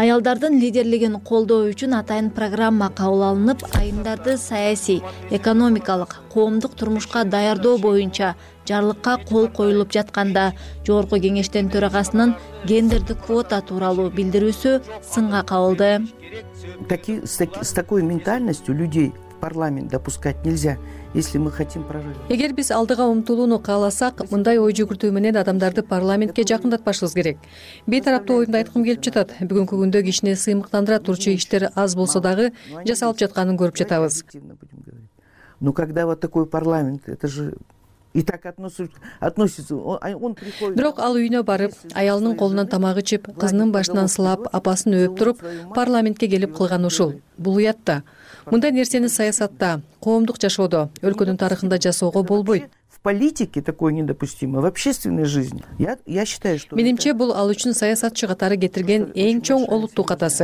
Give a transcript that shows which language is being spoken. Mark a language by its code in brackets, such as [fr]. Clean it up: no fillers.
[ky] Аялдардын лидерлигин колдоо үчүн атайын программа кабыл алынып, айымдарды саясий, экономикалык, коомдук турмушка даярдоо боюнча жарлыкка кол коюлуп жатканда жогорку кеңештин төрагасынын гендердик квота тууралуу билдирүүсү сынга кабылды. [ru] С такой ментальностью людей в парламент допускать нельзя, если мы хотим прорыв. [ky] Эгер биз алдыга умтулууну кааласак, мындай ой жүгүртүү менен адамдарды парламентке жакындатпашыбыз керек. Бейтараптуу оюмду айткым келип жатат. Бүгүнкү күндө кишине сыймыктандыра турчу иштер аз болсо дагы жасалып жатканын көрүп жатабыз. [ru] Ну когда вот такой парламент, это же итак относится, он приходит. [ky] Бирок ал үйүнө барып, аялынын колунан тамак ичип, кызынын башынан сылап, апасын өөп туруп, парламентке келип кылган ушул. Бул уят да. Мындай нерсени саясатта, коомдук жашоодо, өлкөнүн тарыхында жасоого болбойт. [ru] В политике такое недопустимо, в общественной жизни. Я считаю, что [ky] менимче бул ал үчүн саясатчы катары кетирген эң чоң олуттуу катасы.